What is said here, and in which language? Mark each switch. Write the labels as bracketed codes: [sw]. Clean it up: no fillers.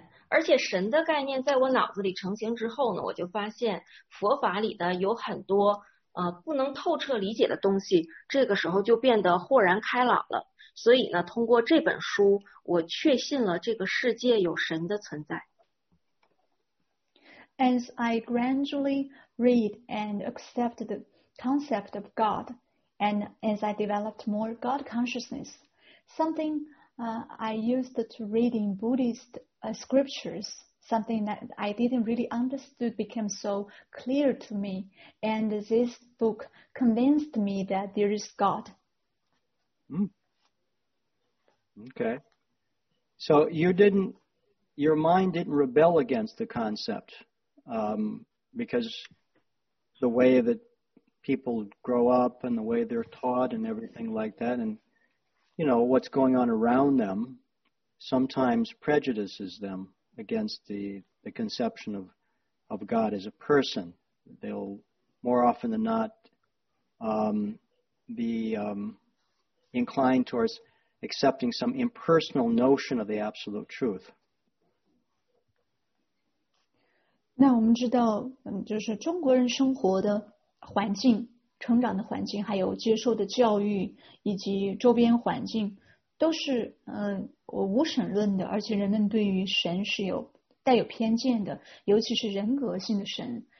[zh] 而且神的概念在我脑子里成型之后呢，我就发现佛法里的有很多不能透彻理解的东西，这个时候就变得豁然开朗了。所以呢，通过这本书，我确信了这个世界有神的存在。 [en] As I gradually read and accept the concept of God, and as I developed more God consciousness, something I used to read in Buddhist scriptures, something that I didn't really understood became so clear to me, and this book convinced me that there is God. Okay. So your mind didn't rebel against the concept, because the way that people grow up and the way they're taught and everything like that, and you know what's going on around them, sometimes prejudices them against the conception of God as a person. They'll more often than not be inclined towards accepting some impersonal notion of the absolute truth. [zh] 那我们知道，就是中国人生活的环境、成长的环境，还有接受的教育以及周边环境，都是无神论的，而且人们对于神是有带有偏见的，尤其是人格性的神。